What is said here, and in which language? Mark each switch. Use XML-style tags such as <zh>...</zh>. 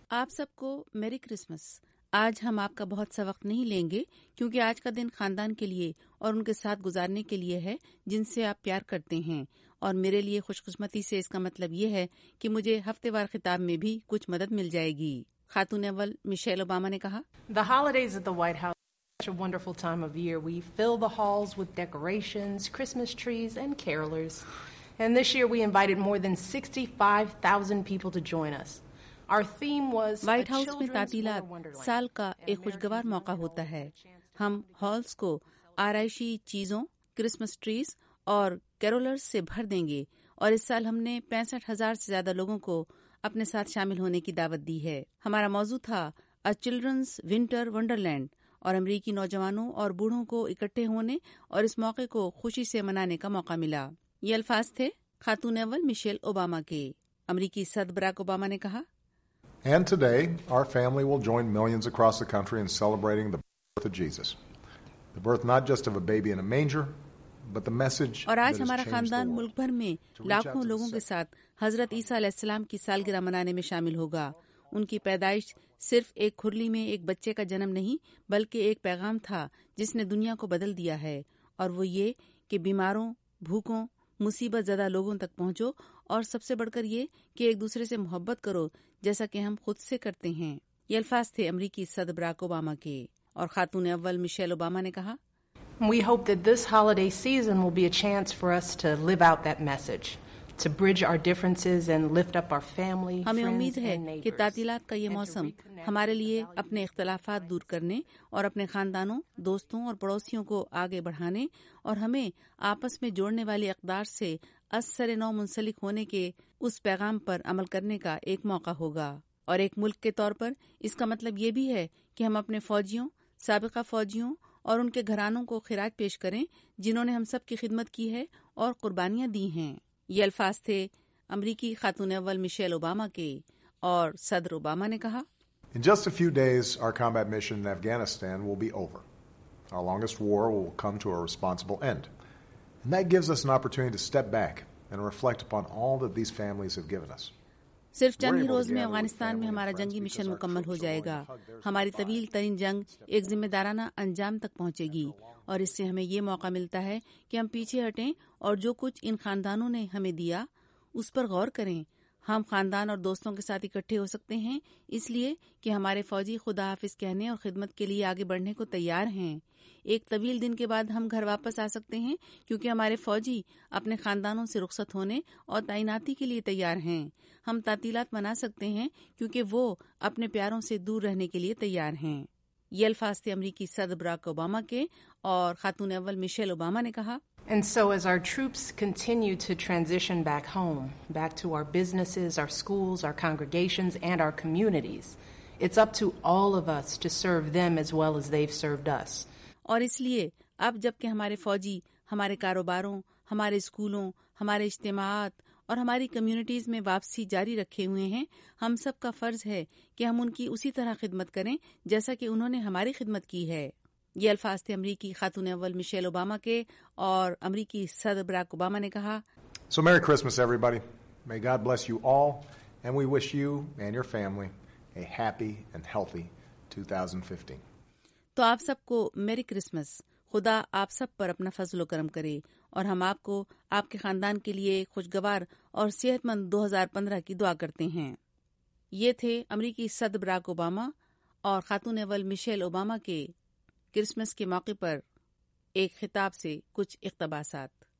<ur>آپ سب کو میری کرسمس۔ آج ہم آپ کا بہت سا وقت نہیں لیں گے، کیونکہ آج کا دن خاندان کے لیے اور ان کے ساتھ گزارنے کے لیے ہے جن سے آپ پیار کرتے ہیں، اور میرے لیے خوش قسمتی سے اس کا مطلب یہ ہے کہ مجھے ہفتے وار خطاب میں بھی کچھ مدد مل جائے گی۔ خاتون اول مشیل اوباما نے کہا،</ur> <en>The holidays at the White House are such a wonderful time of year. We fill the halls with decorations, Christmas trees and carolers. And this year we invited more than 65,000 people to join us.</en> <ur>White house میں تعطیلات سال کا ایک خوشگوار موقع ہوتا ہے۔ ہم ہالز کو آرائشی چیزوں، کرسمس ٹریز اور کیرولرز سے بھر دیں گے، اور اس سال ہم نے 65,000 سے زیادہ لوگوں کو اپنے ساتھ شامل ہونے کی دعوت دی ہے۔ ہمارا موضوع تھا اے چلڈرنز ونٹر ونڈر لینڈ، اور امریکی نوجوانوں اور بوڑھوں کو اکٹھے ہونے اور اس موقع کو خوشی سے منانے کا موقع ملا. یہ الفاظ تھے خاتون اول میشیل اوباما کے. امریکی صدر براک اوباما نے کہا,</ur> <en>And today, our family will join millions across the country in celebrating the birth of Jesus. The birth not just of a baby in a manger, but the message</en> <ur>اور آج ہمارا خاندان ملک بھر میں لاکھوں لوگوں کے ساتھ حضرت عیسیٰ علیہ السلام کی سالگرہ منانے میں شامل ہوگا. ان کی پیدائش صرف ایک کھرلی میں ایک بچے کا جنم نہیں بلکہ ایک پیغام تھا جس نے دنیا کو بدل دیا ہے, اور وہ یہ کہ بیماروں, بھوکوں, مصیبت زدہ لوگوں تک پہنچو, اور سب سے بڑھ کر یہ کہ ایک دوسرے سے محبت کرو جیسا کہ ہم خود سے کرتے ہیں. یہ الفاظ تھے امریکی صدر براک اوباما کے. اور خاتون اول میشیل اوباما نے کہا,</ur> <en>We hope that this holiday season will be a chance for us to live out that message. To bridge our differences and lift up our family, friends,</en> <ur>ہمیں امید ہے کہ تعطیلات کا یہ موسم ہمارے لیے اپنے اختلافات دور کرنے اور اپنے خاندانوں, دوستوں اور پڑوسیوں کو آگے بڑھانے اور ہمیں آپس میں جوڑنے والی اقدار سے اثر نو منسلک ہونے کے اس پیغام پر عمل کرنے کا ایک موقع ہوگا. اور ایک ملک کے طور پر اس کا مطلب یہ بھی ہے کہ ہم اپنے فوجیوں, سابقہ فوجیوں اور ان کے گھرانوں کو خراج پیش کریں جنہوں نے ہم سب کی خدمت کی ہے اور قربانیاں دی ہیں. یہ الفاظ تھے امریکی خاتون اول میشیل اوباما کے. اور صدر اوباما نے کہا,</ur> <en>In just a few days, our combat mission in Afghanistan will be over. Our longest war will come to a responsible end. And that gives us an opportunity to step back and reflect upon all that these families have given us.</en> <ur>صرف چند ہی روز میں افغانستان میں ہمارا جنگی mission مکمل ہو جائے گا. ہماری طویل ترین جنگ ایک ذمہ دارانہ انجام تک پہنچے گی, اور اس سے ہمیں یہ موقع ملتا ہے کہ ہم پیچھے ہٹیں اور جو کچھ ان خاندانوں نے ہمیں دیا اس پر غور کریں. ہم خاندان اور دوستوں کے ساتھ اکٹھے ہو سکتے ہیں اس لیے کہ ہمارے فوجی خدا حافظ کہنے اور خدمت کے لیے آگے بڑھنے کو تیار ہیں. ایک طویل دن کے بعد ہم گھر واپس آ سکتے ہیں کیونکہ ہمارے فوجی اپنے خاندانوں سے رخصت ہونے اور تعیناتی کے لیے تیار ہیں. ہم تعطیلات منا سکتے ہیں کیونکہ وہ اپنے پیاروں سے دور رہنے کے لیے تیار ہیں. یہ الفاظ تھے امریکی صدر براک اوباما کے. اور خاتون اول میشیل اوباما نے کہا,</ur> <en>And so as our troops continue to transition back home, back to our businesses, our schools, our congregations, and our communities, it's up to all of us to serve them as well as they've served us.</en> <ur>اور اس لیے اب جبکہ ہمارے فوجی ہمارے کاروباروں, ہمارے سکولوں, ہمارے اجتماعات اور ہماری کمیونٹیز میں واپسی جاری رکھے ہوئے ہیں, ہم سب کا فرض ہے کہ ہم ان کی اسی طرح خدمت کریں جیسا کہ انہوں نے ہماری خدمت کی ہے. یہ الفاظ تھے امریکی خاتون اول میشیل اوباما کے. اور امریکی صدر براک اوباما نے کہا,</ur> <en>So Merry Christmas everybody. May God bless you all and we wish you and your family a happy and healthy 2015.</en> <ur>تو آپ سب کو میری کرسمس. خدا آپ سب پر اپنا فضل و کرم کرے اور ہم آپ کو آپ کے خاندان کے لیے خوشگوار اور صحت مند 2015 کی دعا کرتے ہیں. یہ تھے امریکی صدر براک اوباما اور خاتون اول میشیل اوباما کے کرسمس کے موقع پر ایک خطاب سے کچھ اقتباسات.</ur>